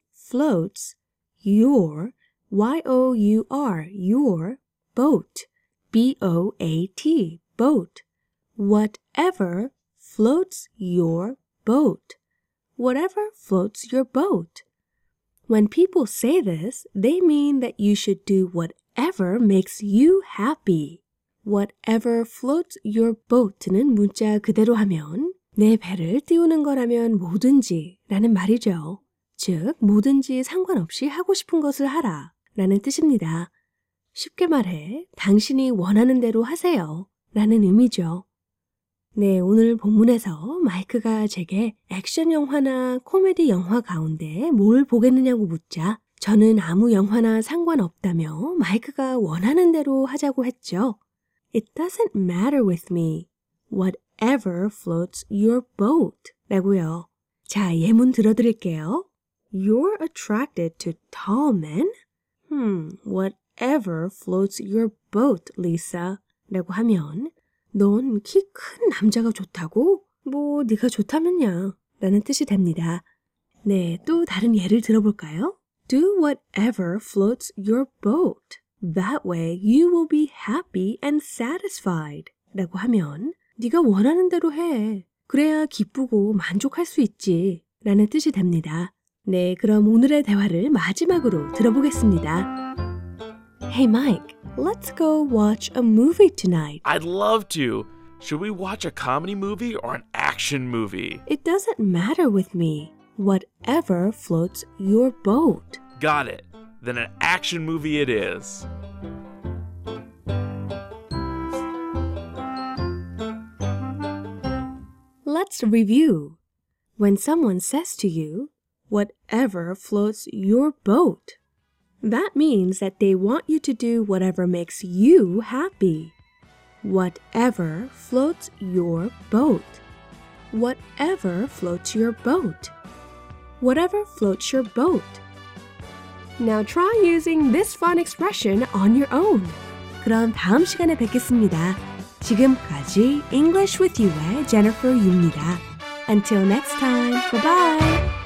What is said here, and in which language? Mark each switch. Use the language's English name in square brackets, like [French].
[English] Floats your Y-O-U-R, your boat, B-O-A-T, boat. Whatever floats your boat. Whatever floats your boat. When people say this, they mean that you should do whatever makes you happy. Whatever floats your boat [Korean] 는 문자 그대로 하면 내 배를 띄우는 거라면 뭐든지 라는 말이죠. 즉, 뭐든지 상관없이 하고 싶은 것을 하라. 라는 뜻입니다. 쉽게 말해, 당신이 원하는 대로 하세요. 라는 의미죠. 네, 오늘 본문에서 마이크가 제게 액션 영화나 코미디 영화 가운데 뭘 보겠느냐고 묻자 저는 아무 영화나 상관없다며 마이크가 원하는 대로 하자고 했죠. [English] It doesn't matter with me. Whatever floats your boat. [Korean] 라고요. 자, 예문 들어드릴게요. [English] You're attracted to tall men? Whatever floats your boat, Lisa. [Korean] 라고 하면 넌 키 큰 남자가 좋다고? 뭐 네가 좋다면야 라는 뜻이 됩니다. 네, 또 다른 예를 들어볼까요? [English] Do whatever floats your boat. That way you will be happy and satisfied. [Korean] 라고 하면 네가 원하는 대로 해. 그래야 기쁘고 만족할 수 있지 라는 뜻이 됩니다. 네, 그럼 오늘의 대화를 마지막으로 들어보겠습니다. [English] Hey Mike, let's go watch a movie tonight. I'd love to. Should we watch a comedy movie or an action movie? It doesn't matter with me. Whatever floats your boat. Got it. Then an action movie it is. Let's review. When someone says to you, whatever floats your boat. That means that they want you to do whatever makes you happy. Whatever floats your boat. Whatever floats your boat. Whatever floats your boat. Now try using this fun expression on your own. [Korean] 그럼 다음 시간에 뵙겠습니다. 지금까지 English with You의 Jennifer 유입니다. [English] Until next time, bye-bye!